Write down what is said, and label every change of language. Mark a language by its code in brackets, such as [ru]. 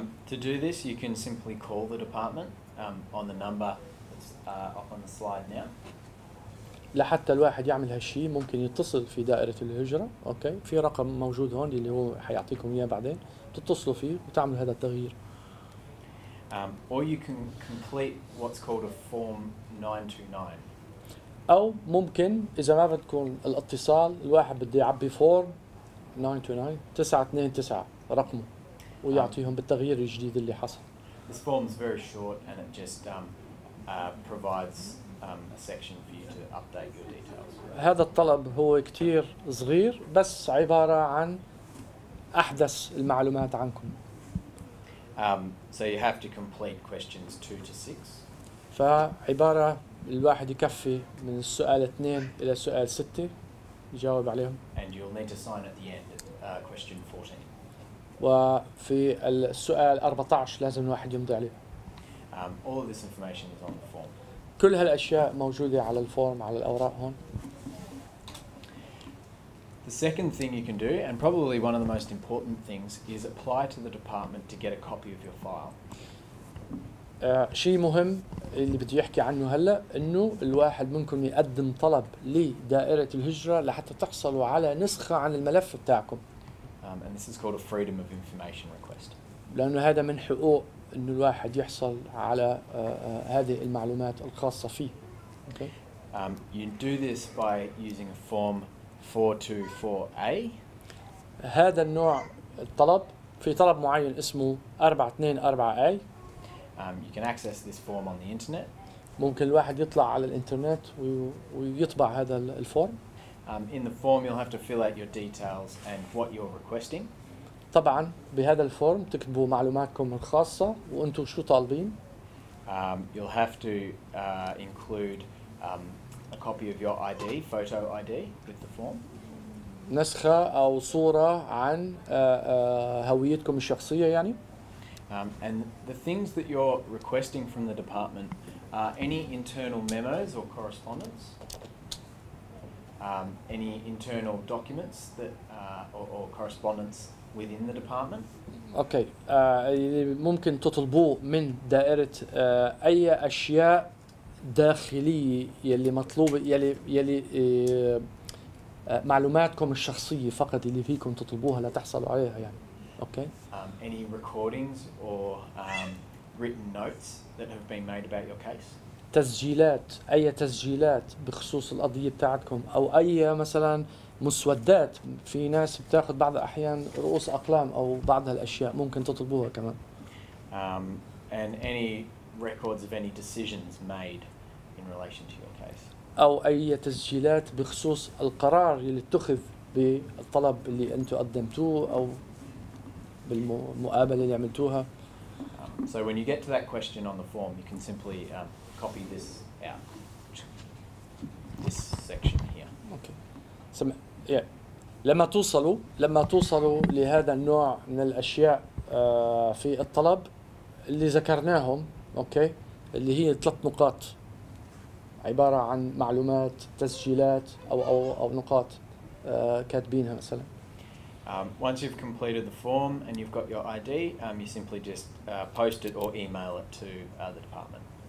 [en] To do this, you can simply call the department on the number that's on the slide now. [ar] لحتى الواحد يعمل هالشيء ممكن يتصل في دائرة الهجرة، أوكي؟ في رقم موجود هون اللي هو حيعطيكم إياه بعدين، تتصلوا فيه وتعمل هذا التغيير. [en] Or you can complete what's called a form 929. [ar] أو ممكن إذا ما بدكم الاتصال، الواحد بده يعبي فورم 929 929 رقمه ويعطيهم بالتغيير الجديد اللي حصل. [en] This form is very short and it just provides a section for you to update your details. [ar] هذا الطلب هو كتير صغير بس عبارة عن أحدث المعلومات عنكم. [en] So you have to complete questions 2 to 6. [ar] فعبارة الواحد يكفي من السؤال 2 إلى السؤال 6 يجاوب عليهم. [en] And you'll need to sign at the end question 14. [ar] وفي السؤال 14 لازم الواحد يمضي عليه. [en] All of this information is on the form. [ar] كل هالأشياء موجودة على الفورم على الأوراق هون. [en] The second thing you can do, and probably one of the most important things, is apply to the department to get a copy of your file. [ar] شيء مهم اللي بدي يحكي عنه هلا إنه الواحد منكم يقدم طلب لدائرة الهجرة لحتى تحصلوا على نسخة عن الملف بتاعكم. [en] And this is called a freedom of information request. [ar] لأنه هذا من حقوق إنه الواحد يحصل على هذه المعلومات الخاصة فيه. [en] Okay. You do this by using a form 424A. [ar] هذا النوع الطلب في طلب معين اسمه 424A. [en] You can access this form on the internet. [ar] ممكن الواحد يطلع على الإنترنت ويطبع هذا الفورم. [en] In the form, you'll have to fill out your details and what you're requesting. [ar] طبعا بهذا الفورم تكتبوا معلوماتكم الخاصة وأنتم شو طالبين. [en] You'll have to include a copy of your ID, photo ID, with the form. [ar] نسخة أو صورة عن هويتكم الشخصية يعني. [en] And the things that you're requesting from the department are any internal memos or correspondence, any internal documents that or correspondence within the department. Okay. [ar] ممكن تطلبوه من دائرة أي أشياء داخلية يلي مطلوبة يلي معلوماتكم الشخصية فقط اللي فيكم تطلبوها لتحصلوا عليها يعني. [en] Okay. Any recordings or written notes that have been made about your case. [ar] تسجيلات أي تسجيلات بخصوص القضية بتاعتكم أو أي مثلا مسودات في ناس بتاخذ بعض الأحيان رؤوس أقلام أو بعض هالأشياء ممكن تطلبوها كمان. [en] And any records of any decisions made in relation to your case. [ar] أو أي تسجيلات بخصوص القرار اللي اتخذ بالطلب اللي أنتوا قدمتوه أو بالمقابلة اللي عملتوها. [en] So when you get to that question on the form, you can simply copy this out, this section here. Okay. So, yeah. [ar] لما توصلوا لهذا النوع من الأشياء في الطلب اللي ذكرناهم, okay, اللي هي ثلاث نقاط عبارة عن معلومات تسجيلات أو نقاط كاتبينها مثلا. [en] Once you've completed the form and you've got your ID, you simply just post it or email it to the department.